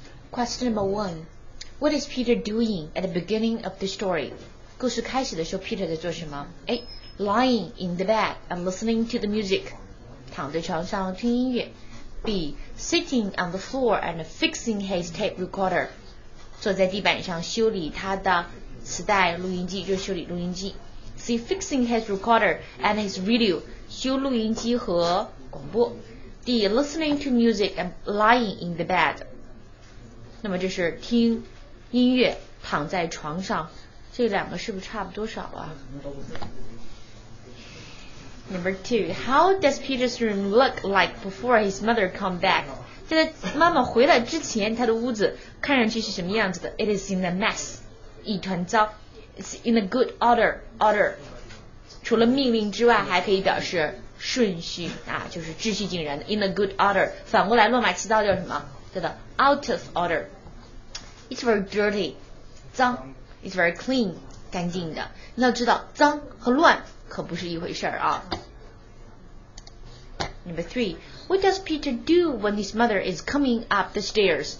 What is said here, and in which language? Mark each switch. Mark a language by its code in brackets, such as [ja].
[en] Question number one. What is Peter doing at the beginning of the story? [zh] 故事开始的时候 Peter 在做什么？ [en] Lying in the bed and listening to the music. [zh] 躺在床上听音乐。B. [en] Sitting on the floor and fixing his tape recorder. [zh] 坐在地板上修理他的磁带录音机，就是修理录音机。 [en] See, fixing his recorder and his radio, [zh] 修录音机和广播。 [en] D, listening to music and lying in the bed. [zh] 那么这是听音乐躺在床上，这两个是不是差不多少啊？ [en] Number two, how does Peter's room look like before his mother come back? [zh] 在他妈妈回来之前，他的屋子看上去是什么样子的？ [en] It is in a mess, [zh] 一团糟。 [en] It's in a good order. [zh] Order, 除了命令之外，还可以表示顺序啊，就是秩序井然的。 [en] In a good order, [zh] 反过来乱码七糟叫什么？叫做 [en] out of order. It's very dirty, 脏。 It's very clean, [zh] 干净的。你要知道，脏和乱可不是一回事儿啊。 [en] Number three, what does Peter do when his mother is coming up the stairs?